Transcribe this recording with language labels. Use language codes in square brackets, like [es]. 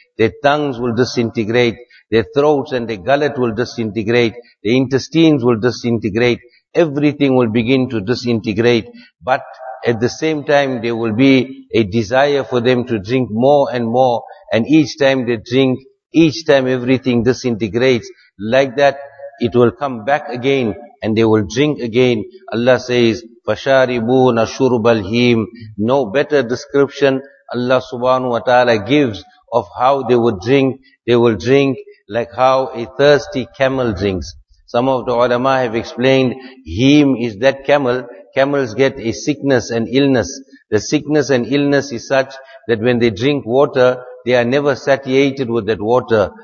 [en] Their tongues will disintegrate, their throats and their gullet will disintegrate, their intestines will disintegrate, everything will begin to disintegrate. But at the same time, there will be a desire for them to drink more and more, and each time they drink, each time everything disintegrates, like that, it will come back again, and they will drink again. Allah says, [ar] فَشَارِبُونَ شُرُبَ الْهِيمِ. [en] No better description Allah subhanahu wa ta'ala gives of how they would drink. They will drink like how a thirsty camel drinks. Some of the ulama have explained, heem is that camel. Camels get a sickness and illness. The sickness and illness is such that when they drink water, they are never satiated with that water.